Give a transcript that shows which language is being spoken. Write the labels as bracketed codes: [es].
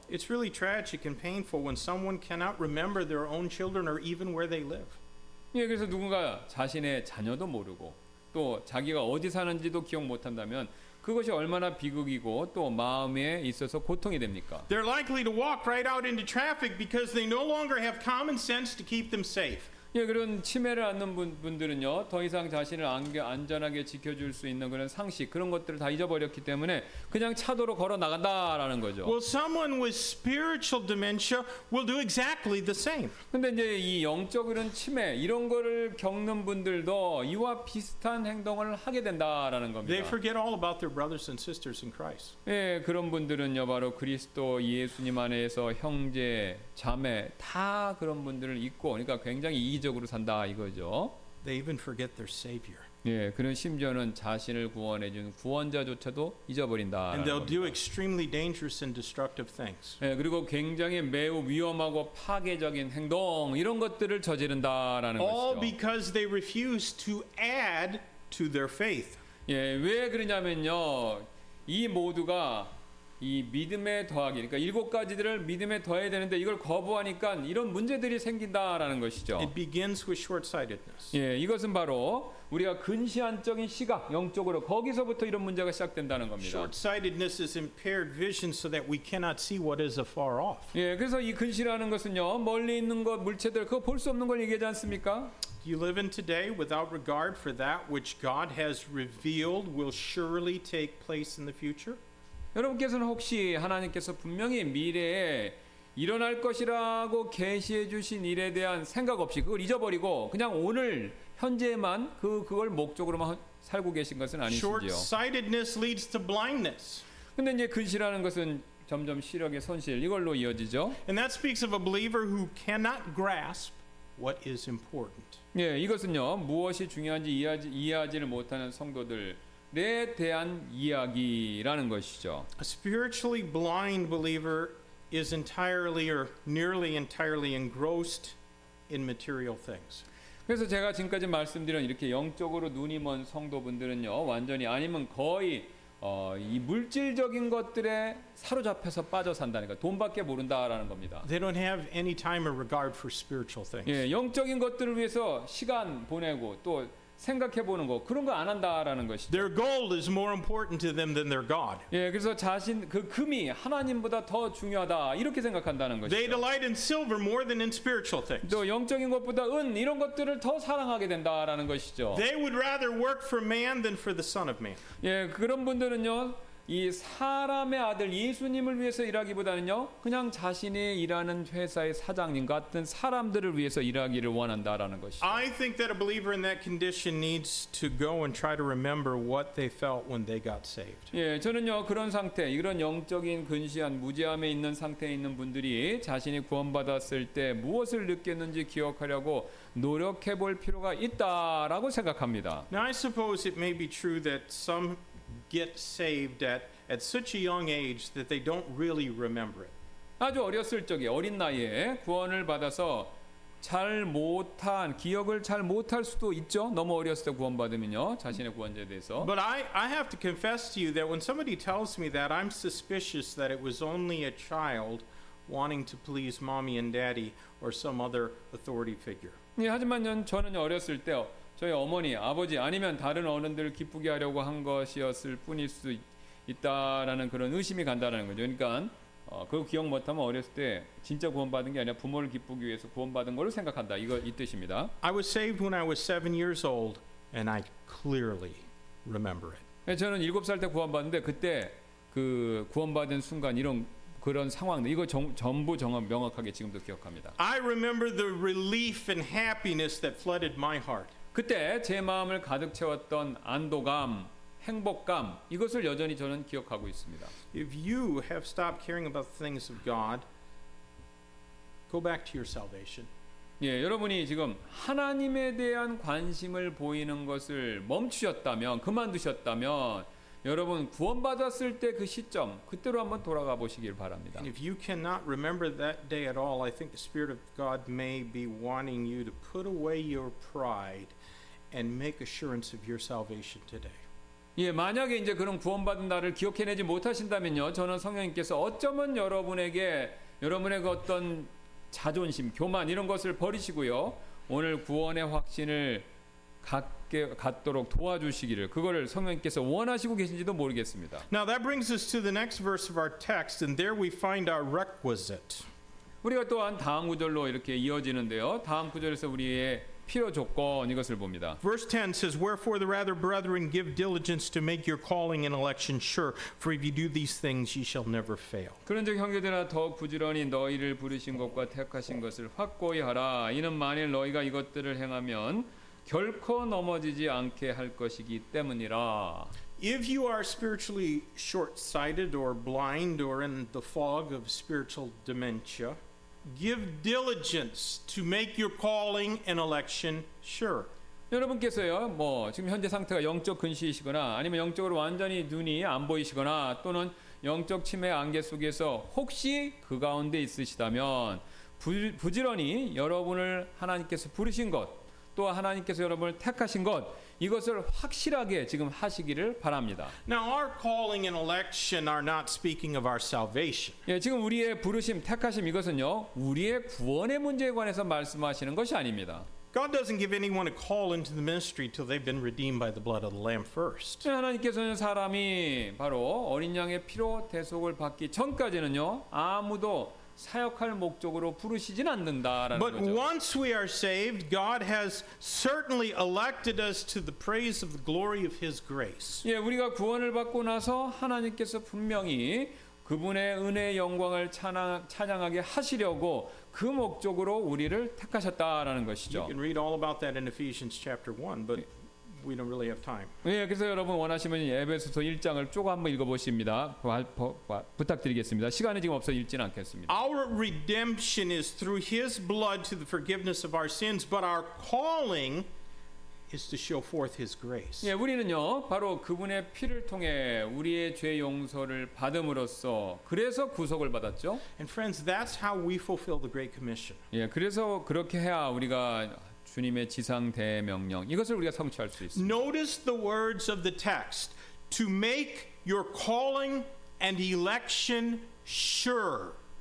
[en] It's really tragic and painful when someone cannot remember their own children or even where they live. [ko] 예, 그래서 누군가 자신의 자녀도 모르고 또 자기가 어디 사는지도 기억 못한다면 그것이 얼마나 비극이고 또 마음에 있어서 고통이 됩니까? [en] They're likely to walk right out into traffic because they no longer have common sense to keep them safe. [ko] 예, 그런 치매를 앓는 분들은요 더 이상 자신을 안전하게 지켜줄 수 있는 그런 상식 그런 것들을 다 잊어버렸기 때문에 그냥 차도로 걸어 나간다라는 거죠. [en] Well, someone with spiritual dementia will do exactly the same. [ko] 근데 이제 이 영적 그런 치매 이런 거를 겪는 분들도 이와 비슷한 행동을 하게 된다라는 겁니다. [en] They forget all about their brothers and sisters in Christ. [ko] 예, 그런 분들은요 바로 그리스도 예수님 안에서 형제 자매 다 그런 분들을 잊고 그러니까 굉장히 이기적으로 산다 이거죠. [en] They even forget their savior. [ko] 예, 그런 심지어는 자신을 구원해 준 구원자조차도 잊어버린다. [en] And they'll do extremely dangerous and destructive things. [ko] 예, 그리고 굉장히 매우 위험하고 파괴적인 행동 이런 것들을 저지른다라는 [en] All [ko] 것이죠. [en] All because they refuse to add to their faith. [ko] 예, 왜 그러냐면요. 이 모두가 이 믿음에 더하기 그러니까 일곱 가지들을 믿음에 더해야 되는데 이걸 거부하니까 이런 문제들이 생긴다라는 것이죠. [en] It begins with short-sightedness. [ko] 예, 이것은 바로 우리가 근시안적인 시각 영적으로 거기서부터 이런 문제가 시작된다는 겁니다. [en] Short-sightedness is impaired vision so that we cannot see what is afar off. [ko] 예, 그래서 이 근시라는 것은요. 멀리 있는 것 물체들 그거 볼 수 없는 걸 얘기하지 않습니까? [en] You live in today without regard for that which God has revealed will surely take place in the future. [ko] 여러분께서는 혹시 하나님께서 분명히 미래에 일어날 것이라고 계시해 주신 일에 대한 생각 없이 그걸 잊어버리고 그냥 오늘 현재만 그걸 목적으로만 살고 계신 것은 아니시죠? [en] Short-sightedness leads to blindness. [ko] 근데 이제 근시라는 것은 점점 시력의 손실 이걸로 이어지죠. [en] And that speaks of a believer who cannot grasp what is important. [ko] 예, 이것은요. 무엇이 중요한지 이해하지를 못하는 성도들 내 대한 이야기라는 것이죠. [en] A spiritually blind believer is entirely or nearly entirely engrossed in material things. [ko] 그래서 제가 지금까지 말씀드린 이렇게 영적으로 눈이 먼 성도분들은요, 완전히 아니면 거의 이 물질적인 것들에 사로잡혀서 빠져 산다니까 돈밖에 모른다라는 겁니다. [en] They don't have any time or regard for spiritual things. [ko] 예, 영적인 것들을 위해서 시간 보내고 또 생각해 보는 거 그런 거 안 한다라는 것이죠. [en] Their goal is more important to them than their God. [ko] 예, 그래서 자신 그 금이 하나님보다 더 중요하다 이렇게 생각한다는 것이죠. [en] They delight in silver more than in spiritual things. [ko] 또 영적인 것보다 은 이런 것들을 더 사랑하게 된다라는 것이죠. [en] They would rather work for man than for the Son of Man. [ko] 예, 그런 분들은요. 이 사람의 아들 예수님을 위해서 일하기보다는요 그냥 자신이 일하는 회사의 사장님 같은 사람들을 위해서 일하기를 원한다라는 것이죠. [en] I think that a believer in that condition needs to go and try to remember what they felt when they got saved. [ko] 예, 저는요 그런 상태 이런 영적인 근시한 무지함에 있는 상태에 있는 분들이 자신이 구원받았을 때 무엇을 느꼈는지 기억하려고 노력해 볼 필요가 있다라고 생각합니다. [en] Now I suppose it may be true that some get saved at such a young age that they don't really remember it. [ko] 아주 어렸을 적에 어린 나이에 구원을 받아서 잘 못한 기억을 잘 못할 수도 있죠. 너무 어렸을 때 구원받으면요. 자신의 구원자에 대해서. [en] But I have to confess to you that when somebody tells me that I'm suspicious that it was only a child wanting to please mommy and daddy or some other authority figure. [ko] 예, 하지만 저는 어렸을 때요. 저희 어머니, 아버지 아니면 다른 어른들을 기쁘게 하려고 한 것이었을 뿐일 수 있다라는 그런 의심이 간다라는 거죠. 그러니까 그 기억 못하면 어렸을 때 진짜 구원받은 게 아니라 부모를 기쁘기 위해서 구원받은 걸로 생각한다. 이거 이 뜻입니다. [en] I was saved when I was 7 years old and I clearly remember it. [ko] 저는 7살 때 구원받는데 그때 그 구원받은 순간 이런 그런 상황 이거 전부 명확하게 지금도 기억합니다. [en] I remember the relief and happiness that flooded my heart. [ko] 그때 제 마음을 가득 채웠던 안도감, 행복감 이것을 여전히 저는 기억하고 있습니다. [en] If you have stopped caring about the things of God, go back to your salvation. [ko] 예, 여러분이 지금 하나님에 대한 관심을 보이는 것을 멈추셨다면, 그만두셨다면 여러분 구원받았을 때 그 시점 그때로 한번 돌아가 보시길 바랍니다. [en] And if you cannot remember that day at all, I think the Spirit of God may be wanting you to put away your pride and make assurance of your salvation today. [ko] 예, 만약에 이제 그런 구원받은 날을 기억해내지 못하신다면요, 저는 성령님께서 어쩌면 여러분에게 여러분의 그 어떤 자존심, 교만 이런 것을 버리시고요 오늘 구원의 확신을 갖도록 도와주시기를 그거를 성령께서 원하시고 계신지도 모르겠습니다. [en] Now that brings us to the next verse of our text, and there we find our requisite. [ko] 우리가 또한 다음 구절로 이렇게 이어지는데요. 다음 구절에서 우리의 필요 조건 이것을 봅니다. [en] Verse 10 says, "Wherefore the rather brethren give diligence to make your calling and election sure. For if you do these things, you shall never fail." [ko] 그런즉 형제들아 더욱 부지런히 너희를 부르신 것과 택하신 것을 확고히 하라. 이는 만일 너희가 이것들을 행하면 결코 넘어지지 않게 할 것이기 때문이라. [en] If you are spiritually short-sighted or blind or in the fog of spiritual dementia, give diligence to make your calling and election sure. [ko] 여러분께서요, 뭐 지금 현재 상태가 영적 근시이시거나 아니면 영적으로 완전히 눈이 안 보이시거나 또는 영적 치매 안개 속에서 혹시 그 가운데 있으시다면 부지런히 여러분을 하나님께서 부르신 것 또 하나님께서 여러분을 택하신 것 이것을 확실하게 지금 하시기를 바랍니다. [en] Now our calling and election are not speaking of our salvation. [ko] 예, 지금 우리의 부르심, 택하심 이것은요 우리의 구원의 문제에 관해서 말씀하시는 것이 아닙니다. [en] God doesn't give anyone a call into the ministry till they've been redeemed by the blood of the Lamb first. [ko] 예, 하나님께서는 사람이 바로 어린양의 피로 대속을 받기 전까지는요 아무도 사역할 목적으로 부르시진 않는다라는 [en] But [ko] 거죠. [en] But once we are saved, God has certainly elected us to the praise of the glory of His grace. [ko] 예, 우리가 구원을 받고 나서 하나님께서 분명히 그분의 은혜의 영광을 찬양하게 하시려고 그 목적으로 우리를 택하셨다라는 것이죠. [en] You can read all about that in Ephesians chapter 1, but we don't really have time. [ko] 예, 그래서 여러분 원하시면 에베소서 1장을 조금 한번 읽어보십니다. 부탁드리겠습니다. 시간이 지금 없어 읽지는 않겠습니다. [en] Our redemption is through His blood to the forgiveness of our sins, but our calling is to show forth His grace. [ko] 예, 우리는요 바로 그분의 피를 통해 우리의 죄 용서를 받음으로써 그래서 구속을 받았죠. [en] And friends, that's how we fulfill the Great Commission. [ko] 예, 그래서 그렇게 해야 우리가 주님의 지상 대명령 이것을 우리가 성취할 수 있습니다. [en] Notice the words of the text to make your calling and election sure.